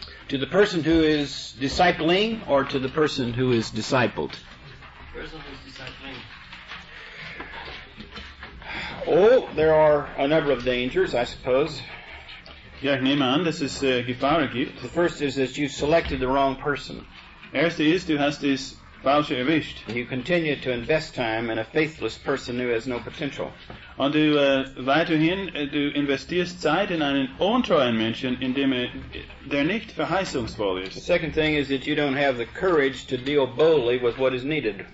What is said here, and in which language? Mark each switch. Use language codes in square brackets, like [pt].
[en] To the person who is discipling or to the person who is discipled? Person who is discipling. Oh, there are a number of dangers, I suppose. [de] Ja, ich nehme an, dass es Gefahren gibt. [en] The first is that you've selected the wrong person. [de] Erste ist, du hast das Falsche erwischt. [en] You continue to invest time in a faithless person who has no potential. [de] Und du weiterhin, du investierst Zeit in einen untreuen Menschen, in dem der nicht verheißungsvoll ist. [en] The second thing is that you don't have the courage to deal boldly with what is needed.